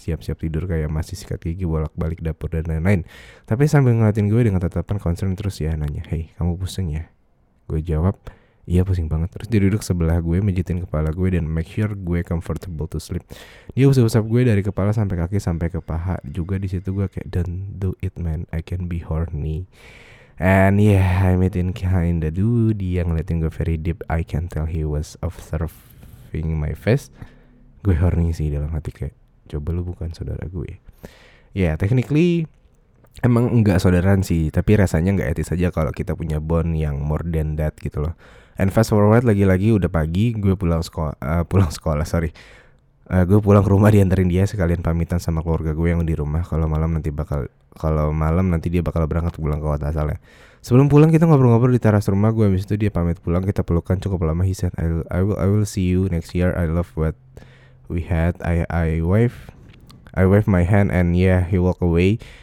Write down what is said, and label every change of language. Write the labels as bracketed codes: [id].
[id] Siap-siap tidur kayak masih sikat gigi, bolak-balik dapur dan lain-lain. Tapi sambil ngeliatin gue dengan tatapan concern terus ya nanya, hey kamu pusing ya? Gue jawab, iya pusing banget. Terus dia duduk sebelah gue, mijitin kepala gue dan [en] make sure [id] gue [en] comfortable to sleep. [id] Dia usap-usap gue dari kepala sampai kaki sampai ke paha. Juga di situ gue kayak, [en] don't do it man, I can be horny. And yeah, I met in kind of dude. [id] Dia ngeliatin gue [en] very deep. I can tell he was observing my face. [id] Gue horny sih dalam hati kayak, coba lu bukan saudara gue. [en] Yeah, technically [id] emang enggak saudaraan sih, tapi rasanya enggak etis aja kalau kita punya bond yang [en] more than that [id] gitu loh. [en] And fast forward, [id] lagi-lagi udah pagi, gue pulang ke rumah dianterin dia sekalian pamitan sama keluarga gue yang di rumah. Kalau malam nanti dia bakal berangkat pulang ke kota asalnya. Sebelum pulang kita ngobrol-ngobrol di teras rumah gue. Abis itu dia pamit pulang, kita pelukan cukup lama. [en] He said, I will see you next year. I love what we had. I wave my hand and yeah, he walk away.